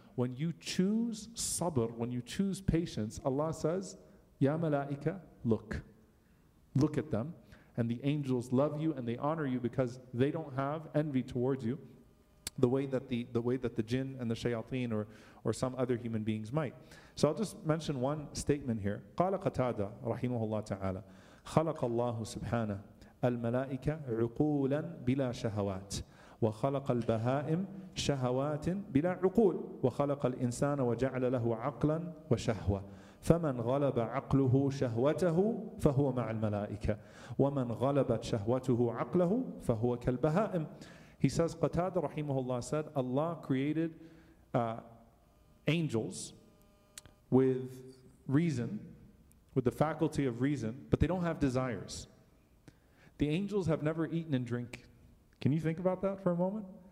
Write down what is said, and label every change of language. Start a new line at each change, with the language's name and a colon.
English: When you choose sabr, when you choose patience, Allah says,
Arabic: Ya malaika,
English: look. Look at them. And the angels love you and they honor you because they don't have envy towards you the way that the jinn and the shayateen or some other human beings might. So I'll just mention one statement here.
Arabic: Qala Qatada, rahimahullah ta'ala, خَلَقَ اللَّهُ سُبْحَانَهُ الْمَلَائِكَ عُقُولًا بِلَا شَهَوَاتٍ وَخَلَقَ الْبَهَائِمِ شَهَوَاتٍ بِلَا عُقُولٍ وَخَلَقَ الْإِنسَانَ وَجَعْلَ لَهُ عَقْلًا وَشَهْوَةً فَمَنْ غَلَبَ عَقْلُهُ شَهْوَتَهُ فَهُوَ مَعَ الْمَلَائِكَةِ وَمَنْ غَلَبَتْ شَهْوَتُهُ عَقْلَهُ فَهُوَ كَالْبَهَائِمِ.
English: He says, Qatada rahimahullah said, Allah created angels with reason, with the faculty of reason, but they don't have desires. The angels have never eaten and drink. Can you think about that for a moment?